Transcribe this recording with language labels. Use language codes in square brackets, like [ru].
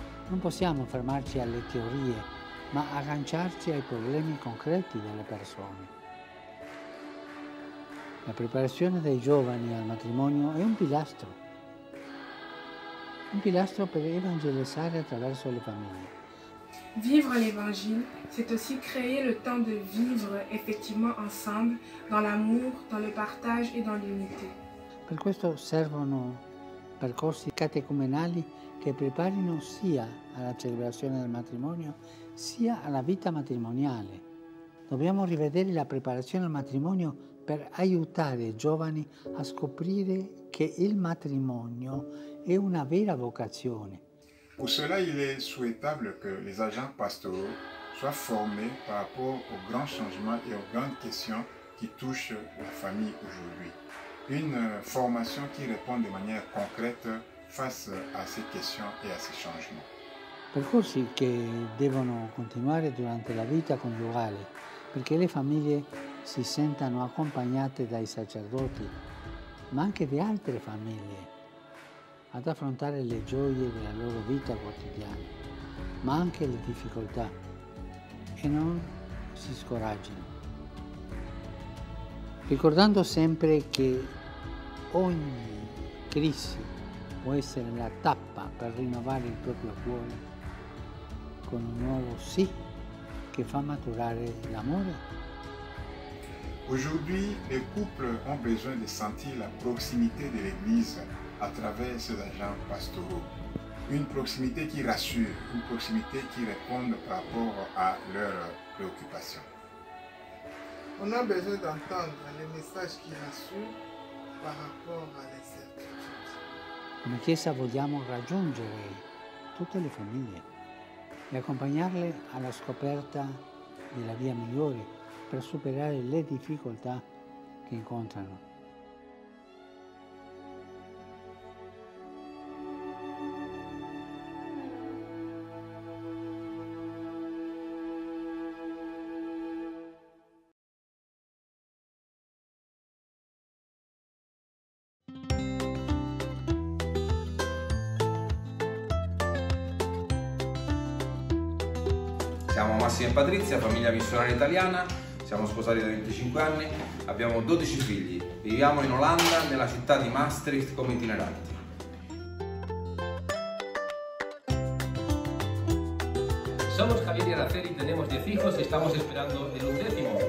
[it] Non possiamo fermarci alle teorie, ma agganciarci ai problemi concreti delle persone. La preparazione dei giovani al matrimonio è un pilastro per evangelizzare attraverso le famiglie. [fr] Vivre l'Évangile, c'est aussi créer le temps de vivre effectivement ensemble, dans l'amour, dans le partage et dans l'unité. [it] Per questo servono percorsi catecumenali che preparino sia alla celebrazione del matrimonio, sia alla vita matrimoniale. Dobbiamo rivedere la preparazione al matrimonio per aiutare i giovani a scoprire che il matrimonio è una vera vocazione. [fr] Pour cela, il est souhaitable que les agents pastoraux soient formés par rapport aux grands changements et aux grandes questions qui touchent la famille aujourd'hui. Une formation qui répond de manière concrète face à ces questions et à ces changements. [it] Percorsi che devono continuare durante la vita coniugale, perché le famiglie si sentano accompagnate dai sacerdoti, ma anche di altre famiglie, ad affrontare le gioie della loro vita quotidiana, ma anche le difficoltà, e non si scoraggino. Ricordando sempre che ogni crisi può essere la tappa per rinnovare il proprio cuore con un nuovo sì che fa maturare l'amore. [fr] Aujourd'hui, les couples ont besoin de sentir la proximité de l'Église à travers ses agents pastoraux. Une proximité qui rassure, une proximité qui répond par rapport à leurs préoccupations. On a besoin d'entendre les messages qui rassurent par rapport à les certitudes. [it] Come Chiesa vogliamo raggiungere tutte le famiglie e accompagnarle alla scoperta della via migliore per superare le difficoltà che incontrano. Siamo Massimo e Patrizia, famiglia missionaria italiana. Siamo sposati da 25 anni, abbiamo 12 figli, viviamo in Olanda, nella città di Maastricht, come itineranti. [es] Somos Javier y Araceli, tenemos 10 hijos y estamos esperando el undécimo.